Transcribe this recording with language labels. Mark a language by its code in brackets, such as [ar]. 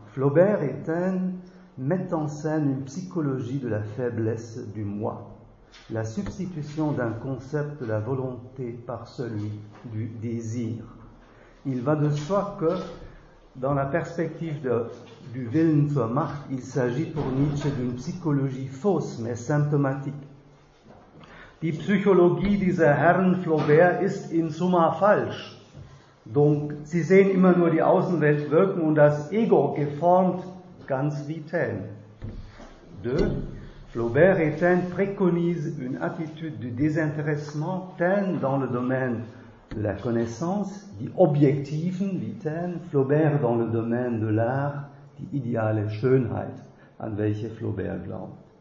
[fr] Flaubert et Taine mettent en scène une psychologie de la faiblesse du moi, la substitution d'un concept de la volonté par celui du désir. Il va de soi que, dans la perspective du Willen zur Macht, il s'agit pour Nietzsche d'une psychologie fausse mais symptomatique. [de] Die Psychologie dieser Herren Flaubert ist in Summa falsch. [fr] Donc, [de] sie sehen immer nur die Außenwelt wirken und das Ego geformt ganz wie Taine. 2. [fr] Flaubert et Taine préconisent une attitude du désintéressement. Taine dans le domaine de la connaissance, [de] die objektiven wie Taine. [fr] Flaubert dans le domaine de l'art, [de] die ideale Schönheit, an welche Flaubert glaubt.